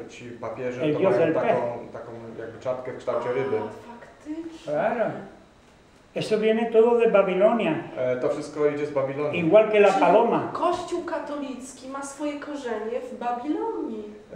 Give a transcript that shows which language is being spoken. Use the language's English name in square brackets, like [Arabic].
[Polish] Ci papieże to mają taką jakby czapkę w kształcie ryby. Faktycznie. [Spanish] Eso viene todo de Babilonia. [Polish] To wszystko idzie z Babilonii. [Spanish] Igual que la paloma. [Polish] Kościół katolicki ma swoje korzenie w Babilonii.